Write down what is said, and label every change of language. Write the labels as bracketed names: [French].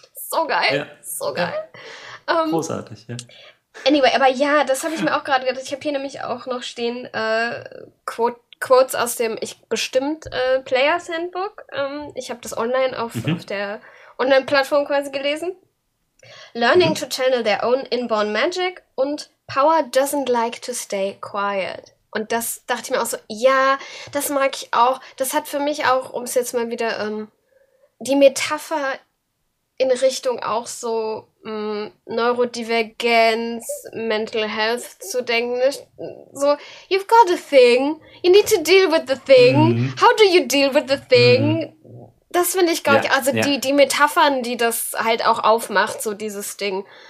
[German] So geil, Großartig, ja. Anyway, aber ja, das habe ich mir auch gerade gedacht. Ich habe hier nämlich auch noch stehen Quotes aus dem Players Handbook. Ich habe das online auf der Online-Plattform quasi gelesen. [English] Learning to channel their own inborn magic und power doesn't like to stay quiet. [German] Und das dachte ich mir auch so, ja, das mag ich auch. Das hat für mich auch, um es jetzt mal wieder, die Metapher in Richtung auch so Neurodivergenz, Mental Health zu denken. [English] So, you've got a thing, you need to deal with the thing. Mm-hmm. How do you deal with the thing? [German] Mm-hmm. Das finde ich gar nicht. Also die Metaphern, die das halt auch aufmacht, so dieses Ding.